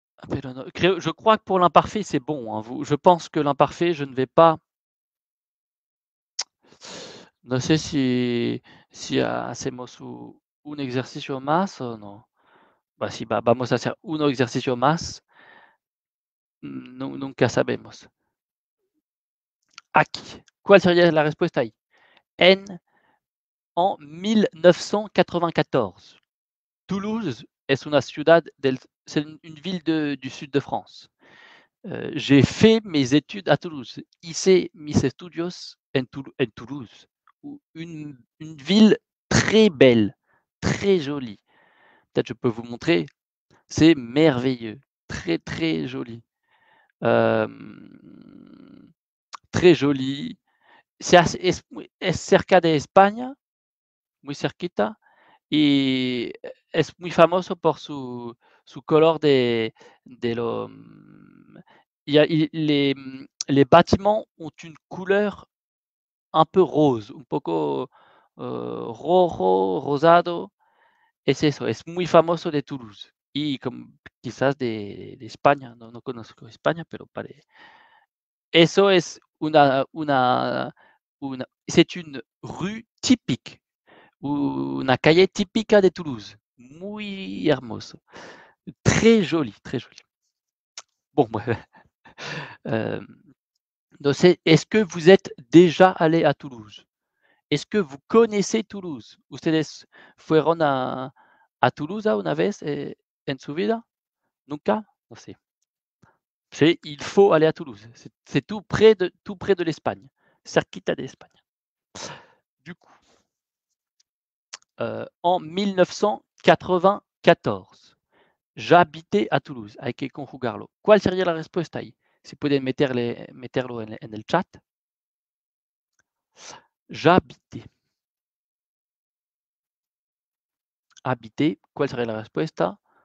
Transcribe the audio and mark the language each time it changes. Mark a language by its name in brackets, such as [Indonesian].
[Spanish] Pero no, [French] je crois que pour l'imparfait, c'est bon. Hein, je pense que l'imparfait, je ne vais pas. [Spanish] No sé si hacemos un ejercicio más o no. Bah, si vamos a hacer un ejercicio más, nunca sabemos. Aquí. ¿Cuál sería la respuesta ahí? [French] En 1994. Toulouse [Spanish] es una ciudad [French] c'est une ville du sud de France. J'ai fait mes études à Toulouse. [Spanish] Hice mis estudios en Toulouse. [French] Une ville très belle, très jolie. Peut-être je peux vous montrer. C'est merveilleux, très très joli. Très joli. [Spanish] Es cerca de España, muy cerquita, y es muy famoso por su color de lo. [French] Les bâtiments ont une couleur un peu rose, [Spanish] un poco rojo, rosado. Es eso, es muy famoso de Toulouse. Y como quizás de España, no conozco España, pero para eso es una [French] c'est une rue typique, [Spanish] una calle típica de Toulouse. Muy hermoso. [French] Très joli, très joli. Bon, bref. Donc est-ce que vous êtes déjà allé à Toulouse? Est-ce que vous connaissez Toulouse? [Spanish] Ustedes fueron a Toulouse una vez en su vida? Nunca? No sé. [French] Il faut aller à Toulouse. C'est tout près de l'Espagne. Cerquita de l'Espagne. Du coup, en 1994, j'habitais à Toulouse avec Econ Jugarlo. [Spanish] ¿Cuál sería la respuesta ahí? Si pueden meterlo en el chat. [French] J'habitais. [Spanish] Habité. ¿Cuál sería la respuesta?